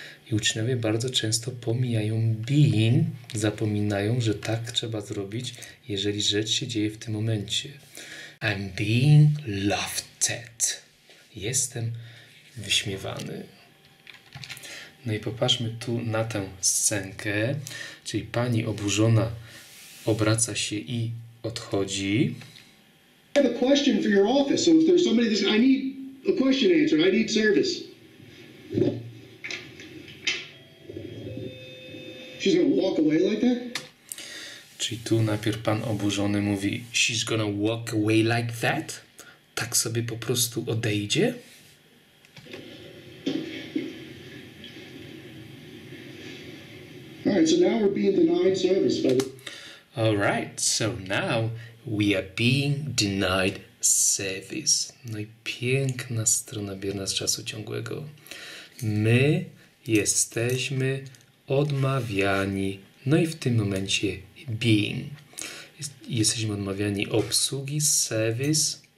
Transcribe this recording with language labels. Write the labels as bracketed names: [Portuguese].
[Polish] I uczniowie bardzo często pomijają being, zapominają, że tak trzeba zrobić, jeżeli rzecz się dzieje w tym momencie. [English] I'm being laughed at. [Polish] Jestem wyśmiewany. No i popatrzmy tu na tę scenkę, czyli pani oburzona obraca się i odchodzi. [English] I have a question for your office, so if there's somebody that says, I need a question answered, I need service. She's gonna walk away like that? [Polish] Czyli tu najpierw pan oburzony mówi, [English] she's gonna walk away like that? [Polish] Tak sobie po prostu odejdzie? [English] Alright, so now we're being denied service, buddy. Alright, so now we are being denied service. [Polish] No i piękna strona bierna z czasu ciągłego. My jesteśmy odmawiani. No i w tym momencie being. Jesteśmy odmawiani obsługi service.